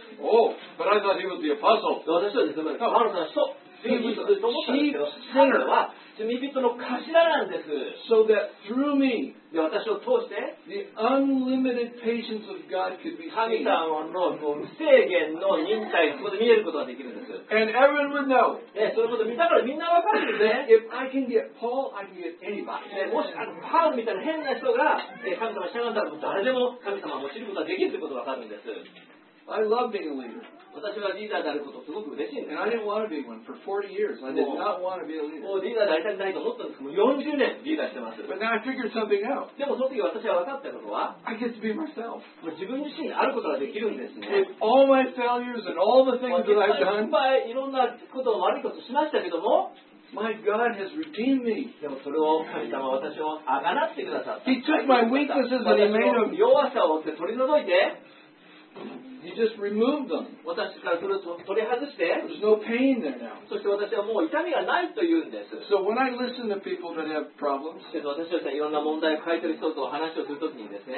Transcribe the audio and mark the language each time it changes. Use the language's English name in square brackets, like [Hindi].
[English] Oh, but I thought he was the apostle. [Japanese] 私はですね、パウロさんは人、罪人と思ったんですけど、神様は罪人の頭なんです。 [English] So that through me, [Japanese] 私を通して、 [English] the unlimited patience of God could be seen. [Japanese] 神様の無制限の忍耐、そこで見えることができるんです。 [English] And everyone would know. [Japanese] そういうこと見たからみんなわかるんですね。 [English] If I can get Paul, I can get anybody. [Japanese] もし、パウロみたいな変な人が、神様に従ったら誰でも神様を知ることができるということわかるんです。 [English] I love being a leader. [Japanese] 私はリーダーであることすごく嬉しいんです。 [English] And I didn't want to be one for 40 years. I did not want to be a leader. [Japanese] もうリーダーになりたくないと思ったんですけど、もう40年リーダーしてます。 [English] But now I figured something out. [Japanese] でもその時私は分かったことは、 [English] I get to be myself. [Japanese] もう自分自身であることができるんですね。 [English] With all my failures and all the things that I've done. [Japanese] いっぱいいろんなことを悪いことしましたけども、 [English] My God has redeemed me. [Japanese] でもそれを神様は私をあがなってくださった。 [English] He took my weaknesses and he made them. [Japanese] 私の弱さを取り除いて、 [English] He just removed them. [Japanese] 私からそれを取り外して、 [English] There's no pain there now. [Japanese] そして私はもう痛みがないと言うんです。 [English] So when I listen to people that have problems, [Japanese] 私はですね、いろんな問題を抱えている人と話をするときにですね、